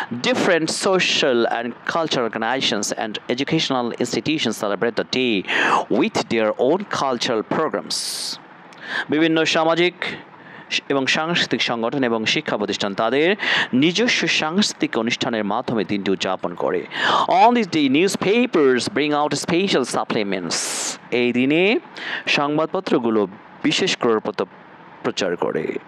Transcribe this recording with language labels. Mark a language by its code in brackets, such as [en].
[en] Different social and cultural organizations and educational institutions celebrate the day with their own cultural programs. [bn] বিভিন্ন সামাজিক এবং সাংস্কৃতিক সংগঠন এবং শিক্ষা প্রতিষ্ঠান তাদের নিজস্ব সাংস্কৃতিক অনুষ্ঠানের মাধ্যমে দিনটি উদযাপন করে। [en] On this day, newspapers bring out special supplements. [bn] এই দিনে সংবাদপত্রগুলো বিশেষ করে প্রচার করে।